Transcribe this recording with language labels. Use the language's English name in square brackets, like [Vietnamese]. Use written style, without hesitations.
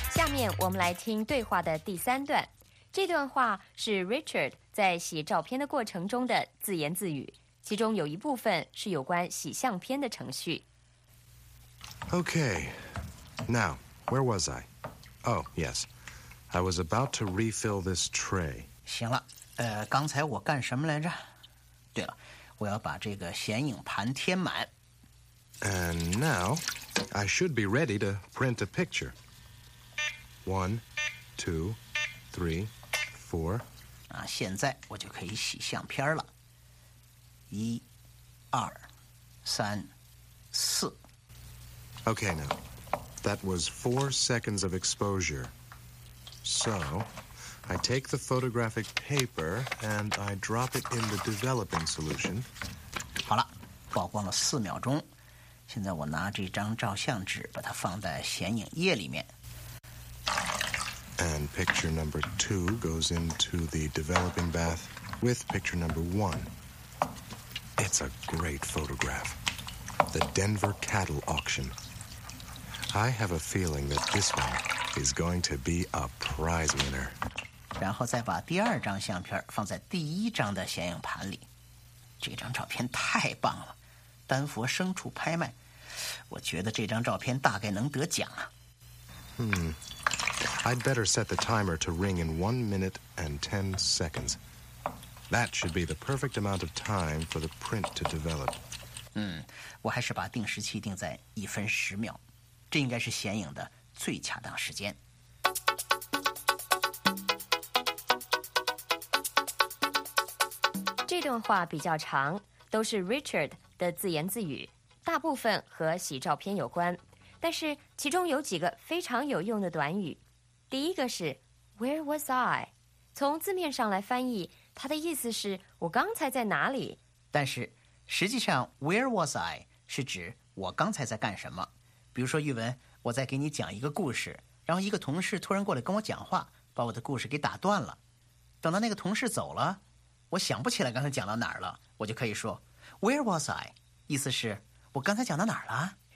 [Chinese] 面我们来听对话的第三段。这段话是 Richard 在洗照片的过程中的自言自语，其中有一部分是有关洗相片的程序。 [English] Okay, now, where was I? Oh, yes, I was about to refill this tray. [Chinese] 行了，刚才我干什么来着？对了，我要把这个显影盘填满。 [English] And now, I should be ready to print a picture. 1, 2, 3, 4. [Chinese] 啊，现在我就可以洗相片了。 [English] 1, 2, 3, 4. Okay, now, that was 4 seconds of exposure. So, I take the photographic paper and I drop it in the developing solution. [Chinese] 好了，曝光了4秒钟。现在我拿这张照相纸，把它放在显影液里面。 [English] And picture number 2 goes into the developing bath with picture number 1. It's a great photograph. The Denver cattle auction. I have a feeling that this one is going to be a prize winner. [Chinese] 然后再把第二张相片放在第一张的显影盘里。这张照片太棒了，丹佛牲畜拍卖。我觉得这张照片大概能得奖啊。 [English] I'd better set the timer to ring in 1 minute and 10 seconds. That should be the perfect amount of time for the print to develop. [Chinese] 我还是把定时器定在1分10秒，这应该是显影的最恰当时间。这段话比较长，都是 Richard 的自言自语，大部分和洗照片有关，但是其中有几个非常有用的短语。 [English] 第一个是 Where was I? [Chinese] 从字面上来翻译，它的意思是我刚才在哪里。 [English] 但是实际上 Where was I? [Chinese] 是指我刚才在干什么。比如说玉文，我在给你讲一个故事，然后一个同事突然过来跟我讲话，把我的故事给打断了。等到那个同事走了，我想不起来刚才讲到哪儿了，我就可以说 [English] Where was I? [Chinese] 意思是我刚才讲到哪儿了。